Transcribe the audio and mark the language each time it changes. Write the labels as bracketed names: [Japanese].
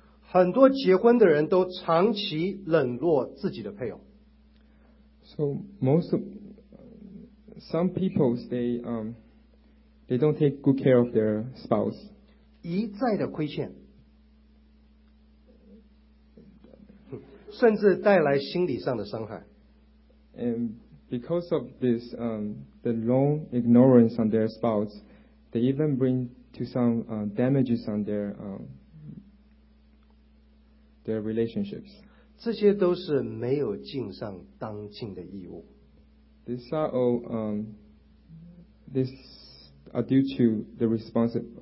[Chinese] 很多结婚的人都长期冷落自己的配偶。 [English] So most of, some people they don't take good care of their spouse. [Chinese] 一再的亏欠。甚至带来心理上的伤害。 [English] And because of this, the long ignorance on their spouse, they even bring to some damages on their relationships. [Chinese] 这些都是没有尽上当尽的义务。 [English] These are all, these are due to the responsibility.